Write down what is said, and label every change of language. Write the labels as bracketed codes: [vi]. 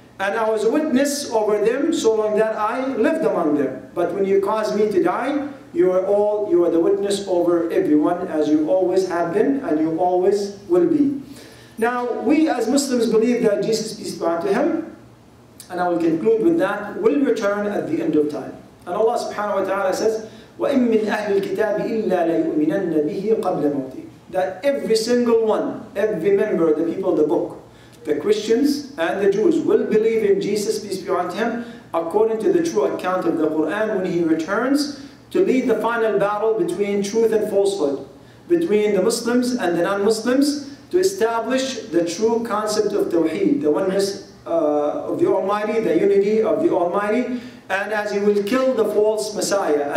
[en] And I was a witness over them so long that I lived among them. But when you caused me to die, you are the witness over everyone, as you always have been and you always will be. Now, we as Muslims believe that Jesus, peace be unto him, and I will conclude with that, will return at the end of time. And Allah subhanahu wa ta'ala says, [ar] وَإِن مِّنْ أَهْلِ الْكِتَابِ إِلَّا لَيُؤْمِنَنَّ بِهِ قَبْلَ مَوْتِهِ. [en] That every single one, every member of the people of the book, the Christians and the Jews, will believe in Jesus, peace be unto him, according to the true account of the Quran, when he returns to lead the final battle between truth and falsehood, between the Muslims and the non-Muslims, to establish the true concept of Tawheed, the oneness of the Almighty, the unity of the Almighty, and as he will kill the false Messiah.